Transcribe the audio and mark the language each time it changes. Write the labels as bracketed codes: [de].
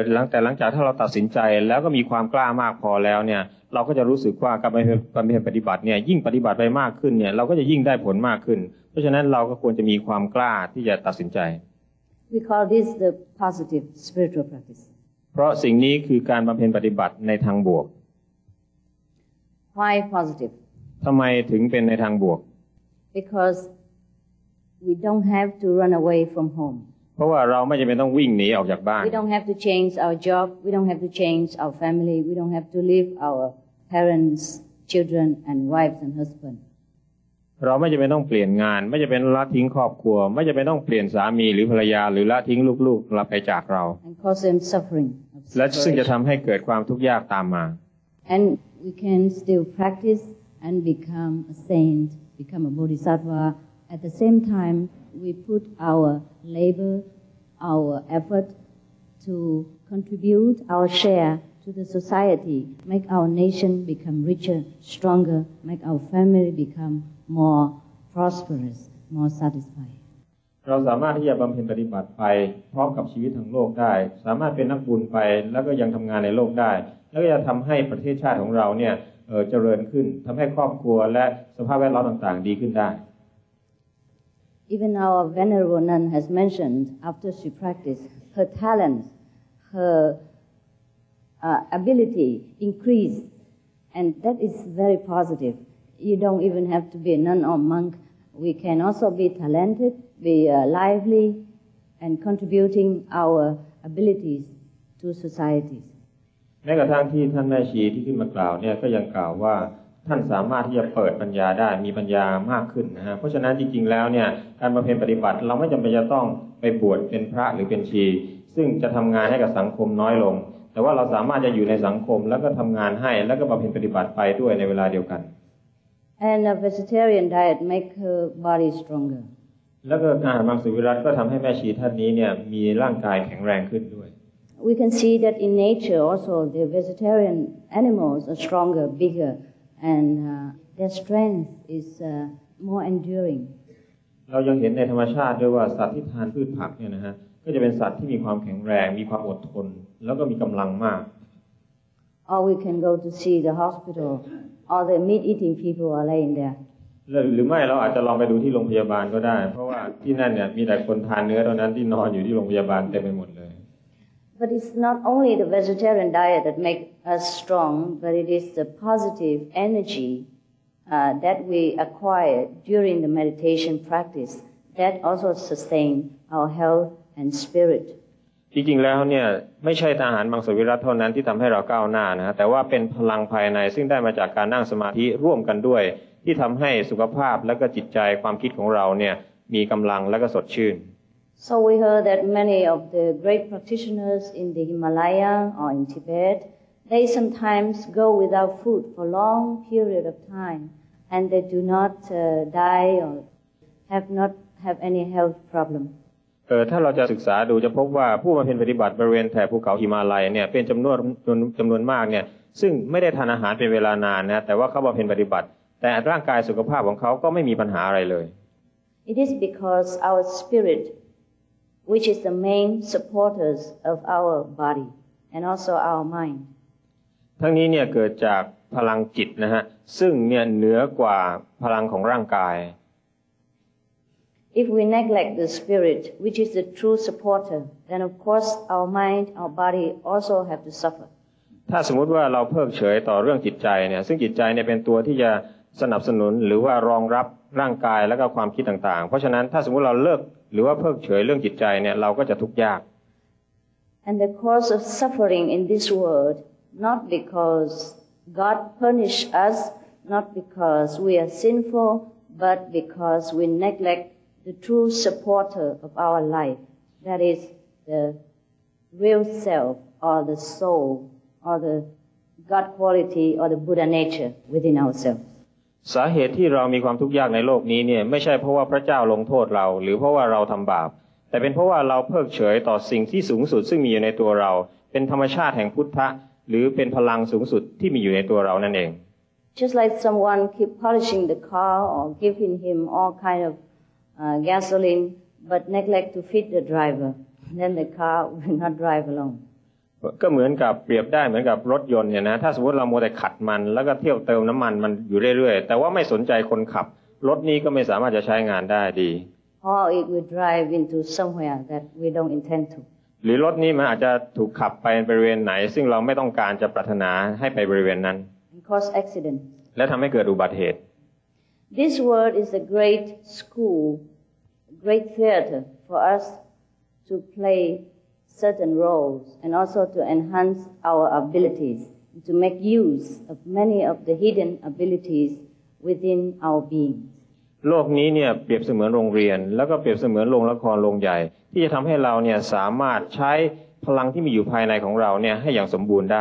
[th] แต่หลังจากถ้าเราตัดสินใจแล้วก็มีความกล้ามากพอแล้วเนี่ยเราก็จะรู้สึกว่าการไปเรียนปฏิบัติเนี่ยยิ่งปฏิบัติไปมากขึ้นเนี่ยเราก็จะยิ่งได้ผลมากขึ้นเพราะฉะนั้นเราก็ควรจะมีความกล้าที่จะตัดสินใจ [en] We call this the positive spiritual practice [th] เพราะสิ่งนี้คือการบำเพ็ญปฏิบัติในทางบวก [en] Why positive [th] ทำไมถึงเป็นในทางบวก [en] Because we don't have to run away from home [th] เพราะว่าเราไม่จำเป็นต้องวิ่งหนีออกจากบ้าน [en] We don't have to change our job. We don't have to change our family. We don't have to leave our parents, children, and wives and husband. [th] เราไม่จำเป็นต้องเปลี่ยนงานไม่จำเป็นละทิ้งครอบครัวไม่จำเป็นต้องเปลี่ยนสามีหรือภรรยาหรือละทิ้งลูกๆลาไปจากเรา [en] And cause them suffering. [th] และซึ่งจะทำให้เกิดความทุกข์ยากตามมา [en] And we can still practice and become a saint, become a bodhisattva. At the same time. We put our labor, our effort to contribute our share to the society, make our nation become richer, stronger, make our family become more prosperous, more satisfied. [th] เราสามารถที่จะบำเพ็ญปฏิบัติไปพร้อมกับชีวิตทั้งโลกได้สามารถเป็นนักบุญไปแล้วก็ยังทำงานในโลกได้แล้วก็จะทำให้ประเทศชาติของเราเนี่ยเจริญขึ้นทำให้ครอบครัวและสภาพแวดล้อมต่างๆดีขึ้นได้ [en] Even our venerable nun has mentioned after she practiced her talent, her ability increased, and that is very positive. You don't even have to be a nun or monk. We can also be talented, be lively, and contributing our abilities to societies. [th] แม้กระทั่งที่ท่านแม่ชีที่ขึ้นมากล่าวเนี่ยก็ยังกล่าวว่าท่านสามารถที่จะเปิดปัญญาได้มีปัญญามากขึ้นนะฮะเพราะฉะนั้นจริงๆแล้วเนี่ยการบำเพ็ญปฏิบัติเราไม่จำเป็นจะต้องไปบวชเป็นพระหรือเป็นชีซึ่งจะทำงานให้กับสังคมน้อยลงแต่ว่าเราสามารถจะอยู่ในสังคมแล้วก็ทำงานให้แล้วก็บำเพ็ญปฏิบัติไปด้วยในเวลาเดียวกัน [en] And a vegetarian diet make her body stronger [th] แล้วก็การมังสวิรัติก็ทำให้แม่ชีท่านนี้เนี่ยมีร่างกายแข็งแรงขึ้นด้วย [en] We can see that in nature also the vegetarian animals are stronger biggerAnd their strength is more enduring. [th] เรายังเห็นในธรรมชาติด้วยว่าสัตว์ที่ทานพืชผักเนี่ยนะฮะก็จะเป็นสัตว์ที่มีความแข็งแรงมีความอดทนแล้วก็มีกำลังมาก [en] Or we can go to see the hospital. All the meat-eating people are laying there. [th] หรือไม่เราอาจจะลองไปดูที่โรงพยาบาลก็ได้เพราะว่าที่นั่นเนี่ยมีแต่คนทานเนื้อเท่านั้นที่นอนอยู่ที่โรงพยาบาลเต็มไปหมดเลย [en] But it's not only the vegetarian diet that makes us strong, but it is the positive energy that we acquire during the meditation practice that also sustains our health and spirit. [th] จริงๆแล้วเนี่ยไม่ใช่อาหารมังสวิรัติเท่านั้นที่ทำให้เราก้าวหน้านะแต่ว่าเป็นพลังภายในซึ่งได้มาจากการนั่งสมาธิร่วมกันด้วยที่ทำให้สุขภาพและก็จิตใจความคิดของเราเนี่ยมีกำลังและก็สดชื่น [en] So we heard that many of the great practitioners in the Himalaya or in Tibet, they sometimes go without food for long period of time, and they do not die or have not have any health problem. [th] ถ้าเราจะศึกษาดูจะพบว่าผู้มาเป็นปฏิบัติบริเวณแถบภูเขาหิมาลัยเนี่ยเป็นจำนวนมากเนี่ยซึ่งไม่ได้ทานอาหารเป็นเวลานานนะแต่ว่าเขามาเป็นปฏิบัติแต่ร่างกายสุขภาพของเขาก็ไม่มีปัญหาอะไรเลย [en] It is because our spirit. Which is the main supporters of our body and also our mind. [th] ทั้งนี้เนี่ยเกิดจาก พลังจิตนะฮะซึ่งเนี่ยเหนือกว่าพลังของร่างกาย [en] If we neglect the spirit which is the true supporter then of course our mind our body also have to suffer [th] ถ้าสมมติว่าเราเพิกเฉยต่อเรื่องจิตใจเนี่ยซึ่งจิตใจเนี่ยเป็นตัวที่จะสนับสนุนหรือว่ารองรับร่างกายแล้วก็ความคิดต่างๆเพราะฉะนั้นถ้าสมมติเราเลิกหรือว่าเพิกเฉยเรื่องจิตใจเนี่ยเราก็จะทุกข์ยาก [en] And the cause of suffering in this world not because God punish us not because we are sinful but because we neglect the true supporter of our life that is the real self or the soulor the God quality or the Buddha nature within ourselves [th] สาเหตุที่เรามีความทุกข์ยากในโลกนี้เนี่ยไม่ใช่เพราะว่าพระเจ้าลงโทษเราหรือเพราะว่าเราทําบาปแต่เป็นเพราะว่าเราเพิกเฉยต่อสิ่งที่สูงสุดซึ่งมีอยู่ในตัวเราเป็นธรรมชาติแห่งพุทธะหรือเป็นพลังสูงสุดที่มีอยู่ในตัวเรานั่นเอง [en] Just like someone keep polishing the car or giving him all kind of gasoline but neglect to feed the driver then the car will not drive along [th] ก็เหมือนกับเปรียบได้เหมือนกับรถยนต์เนี่ยนะถ้าสมมติเรามัวแต่ขัดมันแล้วก็เที่ยวเติมน้ำมันมันอยู่เรื่อยๆแต่ว่าไม่สนใจคนขับรถนี้ก็ไม่สามารถจะใช้งานได้ดี [en] Or it will drive into somewhere that we don't intend to [th] หรือรถนี้มันอาจจะถูกขับไปบริเวณไหนซึ่งเราไม่ต้องการจะปรารถนาให้ไปบริเวณนั้น [en] And cause accident [th] และทำให้เกิดอุบัติเหตุ [en] This world is a great school great theater for us to playCertain roles and also to enhance our abilities to make use of many of the hidden abilities within our being. [th] โลกนี้เนี่ยเปรียบเสมือนโรงเรียนแล้วก็เปรียบเสมือนโรงละครโรงใหญ่ที่จะทำให้เราเนี่ยสามารถใช้พลังที่มีอยู่ภายในของเราเนี่ยให้อย่างสมบูรณ์ได